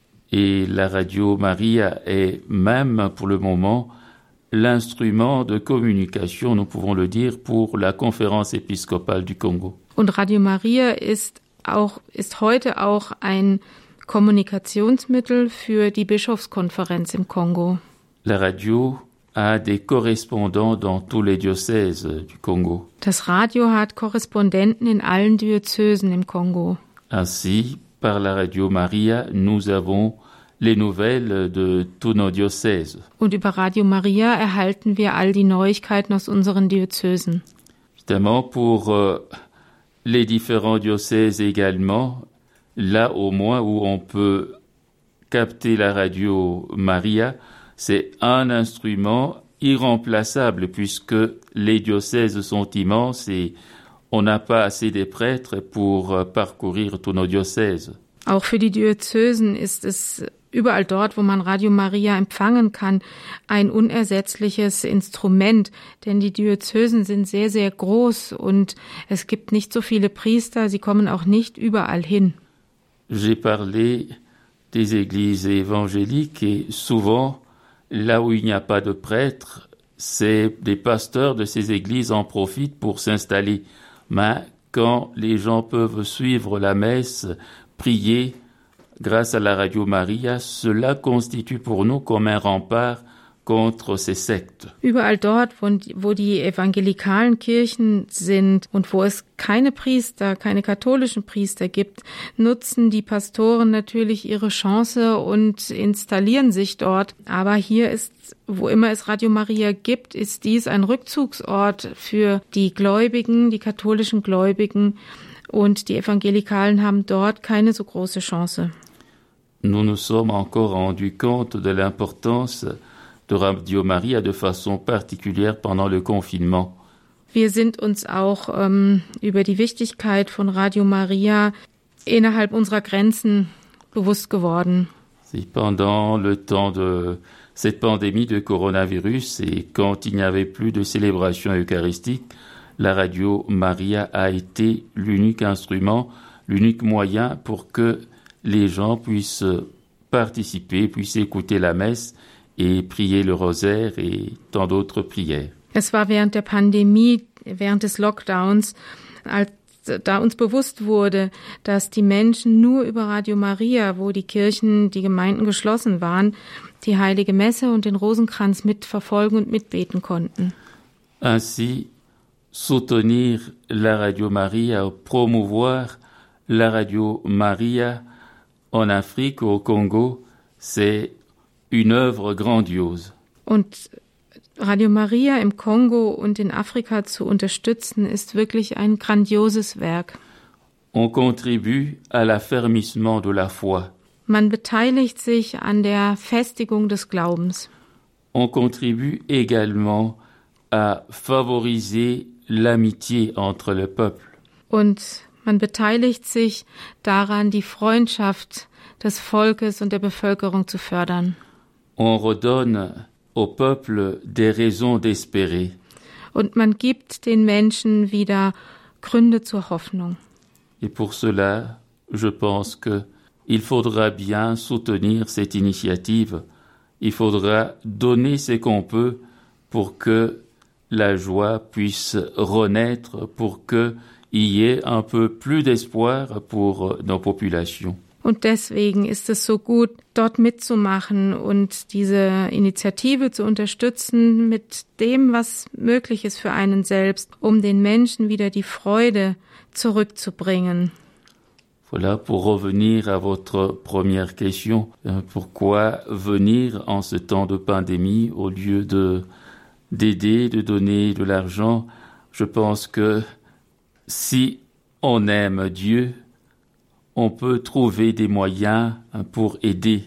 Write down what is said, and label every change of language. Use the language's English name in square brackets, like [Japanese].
[French] Et la Radio Maria est même pour le moment l'instrument de communication, nous pouvons le dire, pour la conférence épiscopale du Congo. [German] Und Radio Maria ist heute auch ein Kommunikationsmittel für die Bischofskonferenz im Kongo. [French] La radio a des correspondants dans tous les diocèses du Congo. [German] Das Radio hat Korrespondenten in allen Diözesen im Kongo. [French] Ainsi, par la Radio Maria, nous avons les nouvelles de tous nos diocèses. [German] Und über Radio Maria erhalten wir all die Neuigkeiten aus unseren Diözesen. [French] Évidemment, pour les différents diocèses également, là au moins où on peut capter la Radio Maria, c'est un instrument irremplaçable puisque les diocèses sont immenses et on n'a pas assez de prêtres pour parcourir tous nos diocèses. [German] Auch für die Diözesen ist es überall dort, wo man Radio Maria empfangen kann, ein unersetzliches Instrument, denn die Diözesen sind sehr, sehr groß und es gibt nicht so viele Priester, sie kommen auch nicht überall hin. [French] J'ai parlé des églises évangéliques et souvent là où il n'y a pas de prêtres, c'est des pasteurs de ces églises en profitent pour s'installer. Mais quand les gens peuvent suivre la messe, prier grâce à la Radio Maria, cela constitue pour nous comme un rempart contre ces sectes. [German] Überall dort, wo die evangelikalen Kirchen sind und wo es keine Priester, keine katholischen Priester gibt, nutzen die Pastoren natürlich ihre Chance und installieren sich dort. Aber hier ist, wo immer es Radio Maria gibt, ist dies ein Rückzugsort für die Gläubigen, die katholischen Gläubigen und die Evangelikalen haben dort keine so große Chance. [French] Nous nous sommes encore rendu compte de l'importance de Radio Maria de façon particulière pendant le confinement. [German] Wir sind uns auch über die Wichtigkeit von Radio Maria innerhalb unserer Grenzen bewusst geworden. [French] C'est pendant le temps de cette pandémie de coronavirus et quand il n'y avait plus de célébration eucharistique, la Radio Maria a été l'unique instrument, l'unique moyen pour que les gens puissent participer, puissent écouter la messe et prier le rosaire et tant d'autres prières. [German] Es war während der Pandemie, während des Lockdowns, als da uns bewusst wurde, dass die Menschen nur über Radio Maria, wo die Kirchen, die Gemeinden geschlossen waren, die Heilige Messe und den Rosenkranz mitverfolgen und mitbeten konnten. [French] Ainsi, soutenir la Radio Maria, promouvoir la Radio Maria en Afrique, au Congo, c'est une œuvre grandiose. [German] Und Radio Maria im Kongo und in Afrika zu unterstützen, ist wirklich ein grandioses Werk. [French] On contribue à l'affermissement de la foi. [German] Man beteiligt sich an der Festigung des Glaubens. [French] On contribue également à favoriser l'amitié entre les peuples. [German] Und man beteiligt sich daran, die Freundschaft des Volkes und der Bevölkerung zu fördern. [French] On redonne au peuple des raisons d'espérer. [German] Und man gibt den Menschen wieder Gründe zur Hoffnung. [French] Et pour cela, je pense que il faudra bien soutenir cette initiative. Il faudra donner ce qu'on peut pour que la joie puisse renaître, pour qu'il y ait un peu plus d'espoir pour nos populations. [German] Und deswegen ist es so gut, dort mitzumachen und diese Initiative zu unterstützen mit dem, was möglich ist für einen selbst, um den Menschen wieder die Freude zurückzubringen. [French] Voilà, pour revenir à votre première question, pourquoi venir en ce temps de pandémie au lieu d'aider, de donner de l'argent? Je pense que si on aime Dieu, on peut trouver des moyens pour aider.